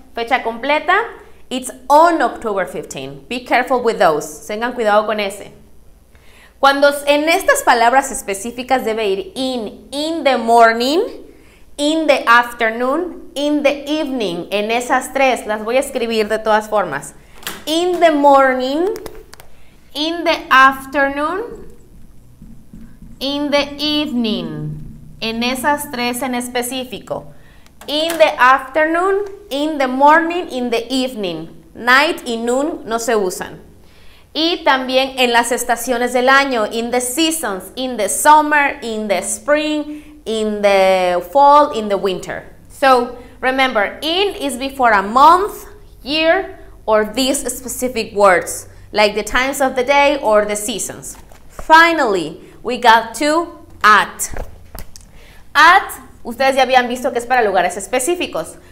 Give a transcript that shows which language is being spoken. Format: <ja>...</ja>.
<es>Fecha completa.</es> <en>It's on October 15. Be careful with those.</en> <es>Tengan cuidado con ese. Cuando en estas palabras específicas debe ir</es> <en>in the morning, in the afternoon, in the evening.</en> <es>En esas tres las voy a escribir de todas formas.</es> <en>In the morning, in the afternoon, in the evening.</en> <es>En esas tres en específico.</es> <en>In the afternoon, in the morning, in the evening. Night y noon</en> <es>no se usan. Y también en las estaciones del año,</es> <en>in the seasons, in the summer, in the spring, in the fall, in the winter. So, remember, in is before a month, year, or these specific words, like the times of the day or the seasons. Finally, we got to at.</en> <es>At, ustedes ya habían visto que es para lugares específicos.</es>